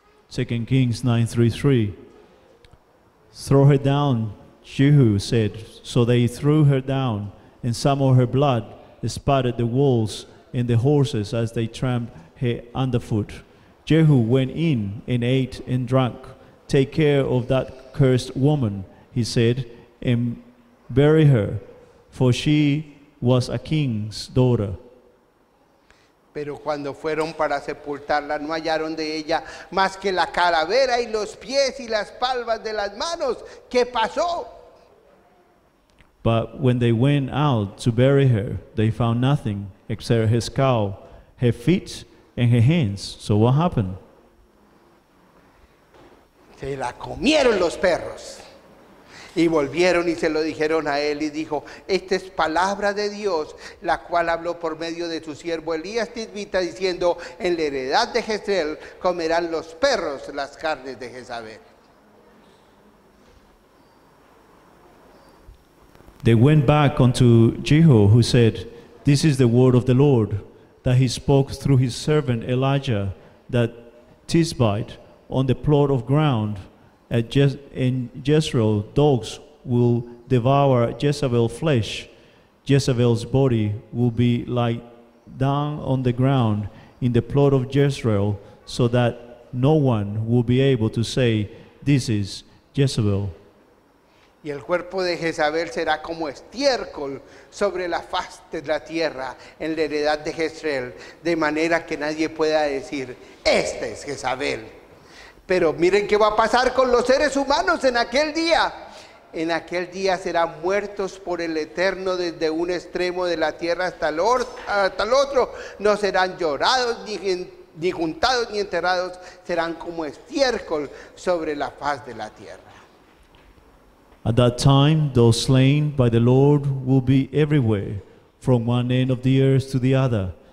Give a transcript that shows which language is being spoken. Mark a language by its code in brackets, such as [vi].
[en] 2 Kings 9:33. Throw her down, Jehu said. So they threw her down, and some of her blood spattered the walls and the horses as they tramped her underfoot. Jehu went in and ate and drank. Take care of that cursed woman, he said, and bury her, for she was a king's daughter. [es] Pero cuando fueron para sepultarla, no hallaron de ella más que la calavera y los pies y las palmas de las manos. ¿Qué pasó? [en] But when they went out to bury her, they found nothing except her skull, her feet, and her hands. So what happened? [es] Se la comieron los perros. Y volvieron y se lo dijeron a él y dijo, esta es palabra de Dios, la cual habló por medio de su siervo Elías Tisbita, diciendo, en la heredad de Jezreel comerán los perros las carnes de Jezabel. [en] They went back unto Jehu, who said, this is the word of the Lord, that he spoke through his servant Elijah, that Tisbite on the plot of ground, in Jezreel, dogs will devour Jezebel's flesh. Jezebel's body will be like dung on the ground in the plot of Jezreel, so that no one will be able to say, this is Jezebel. [es] Y el cuerpo de Jezabel será como estiércol sobre la faz de la tierra en la heredad de Jezreel, de manera que nadie pueda decir, esta es Jezabel. Pero miren qué va a pasar con los seres humanos en aquel día. En aquel día serán muertos por el Eterno desde un extremo de la tierra hasta el otro. No serán llorados, ni juntados, ni enterrados. Serán como estiércol sobre la faz de la tierra. [en] At that time, those slain by the Lord will be everywhere, from one end of the earth to the other.